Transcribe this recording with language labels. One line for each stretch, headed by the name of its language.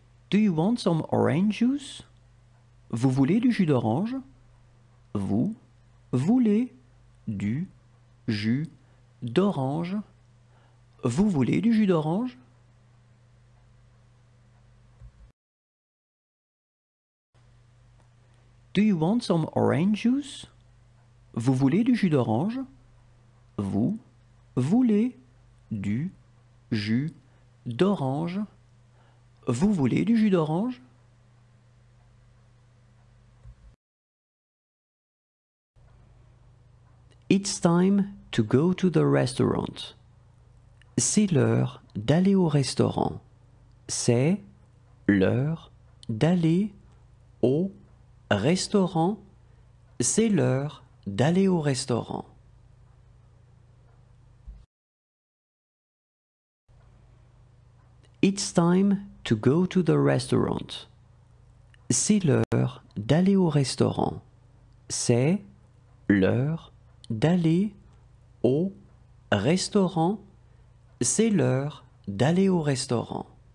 English: Do you want some orange juice?
French: Vous voulez du jus d'orange? Vous voulez du jus d'orange? Vous voulez du jus d'orange?
English: Do you want some orange juice?
French: Vous voulez du jus d'orange? Vous voulez du jus d'orange? Vous voulez du jus d'orange?
English: It's time to go to the restaurant.
French: C'est l'heure d'aller au restaurant. C'est l'heure d'aller au restaurant. C'est l'heure d'aller au restaurant.
English: It's time to go to the restaurant.
French: C'est l'heure d'aller au restaurant. C'est l'heure d'aller au restaurant. C'est l'heure d'aller au restaurant.